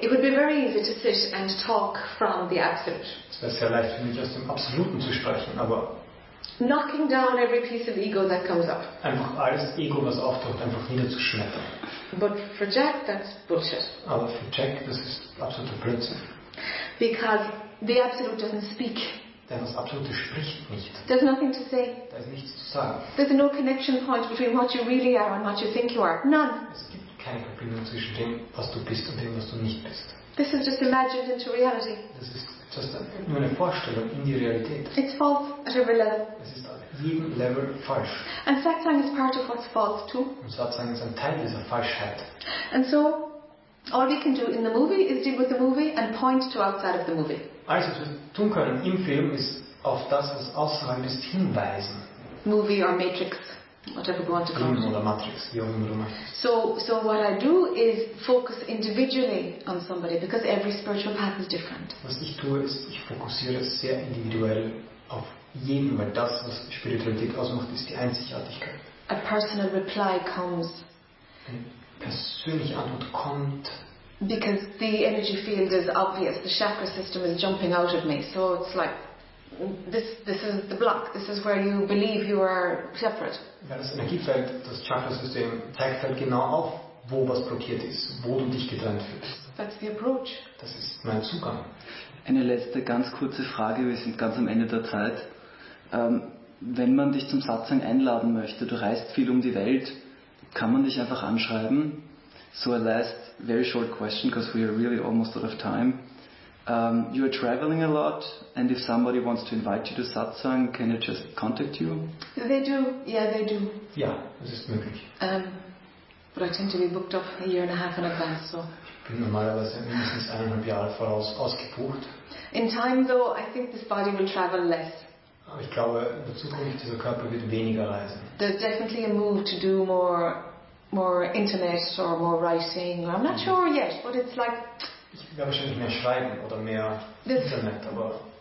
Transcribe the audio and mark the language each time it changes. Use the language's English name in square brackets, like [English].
[English] It would be very easy to sit and talk from the absolute. [German] Es wäre sehr leicht für mich, aus dem Absoluten zu sprechen, aber [English] knocking down every piece of ego that comes up. [German] Einfach alles Ego, was auftaucht, einfach niederzuschmettern. [English] But for Jack, that's bullshit. [German] Aber für Jack, das ist absoluter Blödsinn. [English] Because the absolute doesn't speak. [German] Denn das Absolute spricht nicht. [English] There's nothing to say. [German] Da ist nichts zu sagen. [English] There's no connection point between what you really are and what you think you are. None. [German] Es gibt keine Verbindung zwischen dem, was du bist und dem, was du nicht bist. [English] This is just imagined into reality. [German] Das ist just nur eine Vorstellung in die Realität. [English] It's false at every level. [German] Es ist auf jedem Level falsch. [English] And Satsang is part of what's false too. [German] Und Satsang ist ein Teil dieser Falschheit. [English] And so, all we can do in the movie is deal with the movie and point to outside of the movie. [German] Alles, was wir tun können im Film, ist auf das, was außerhalb ist, hinweisen. [English] Movie or Matrix. Whatever you want to call it. [German] Oder Matrix, wie auch immer du meinst. [English] So what I do is focus individually on somebody because every spiritual path is different. [German] Was ich tue, ist, ich fokussiere sehr individuell auf jeden, weil das, was Spiritualität ausmacht, ist die Einzigartigkeit. [English] A personal reply comes. [German] Eine persönliche Antwort kommt. [English] Because the energy field is obvious, the chakra system is jumping out of me, so it's like this is the block. This is where you believe you are separate. [German] Ja, das Energiefeld, das Chakra-System zeigt halt genau auf, wo was blockiert ist, wo du dich getrennt fühlst. [English] That's the approach. [German] Das ist mein Zugang. Eine letzte ganz kurze Frage. Wir sind ganz am Ende der Zeit. Wenn man dich zum Satsang einladen möchte, du reist viel um die Welt, kann man dich einfach anschreiben? [English] So a last very short question, because we are really almost out of time. You are traveling a lot, and if somebody wants to invite you to Satsang, can they just contact you? They do, yeah, they do. [German] Yeah, das ist möglich. [English] But I tend to be booked up a year and a half in advance, so. [German] Ich bin normalerweise mindestens eineinhalb Jahre voraus ausgebucht. [English] In time, though, I think this body will travel less. [German] Aber ich glaube, in der Zukunft, dieser Körper wird weniger reisen. [English] There's definitely a move to do more internet or more writing. I'm not sure yet, but it's like... [German] Ich werde wahrscheinlich mehr schreiben oder mehr Internet, aber